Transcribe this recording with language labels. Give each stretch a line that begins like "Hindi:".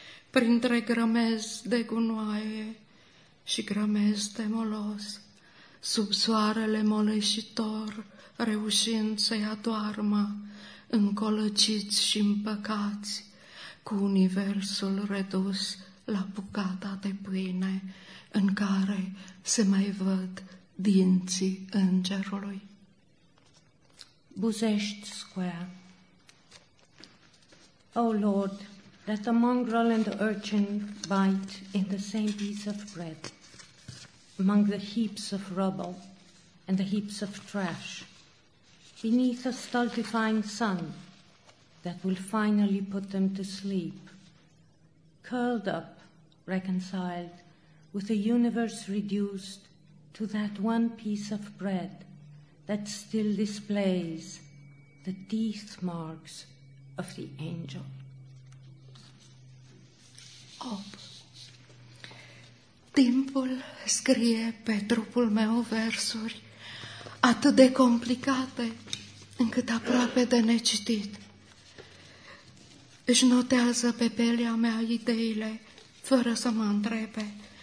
Romanian: printre grămezi de gunoaie și grămezi de molos, sub soarele moleșitor, reușind să-i adoarmă încolăciți și împăcați cu universul redus la bucata de pâine în care se mai văd dinții îngerului.
English: Buzești Square. O Lord, let the mongrel and the urchin bite in the same piece of bread, among the heaps of rubble and the heaps of trash, beneath a stultifying sun that will finally put them to sleep, curled up, reconciled, with the universe reduced to that one piece of bread that still displays the teeth marks of the angel. Op.
Romanian: Timpul scrie pe trupul meu versuri atât de complicate încât aproape de necitit. Își notează pe pielea mea ideile fără să mă întrebe.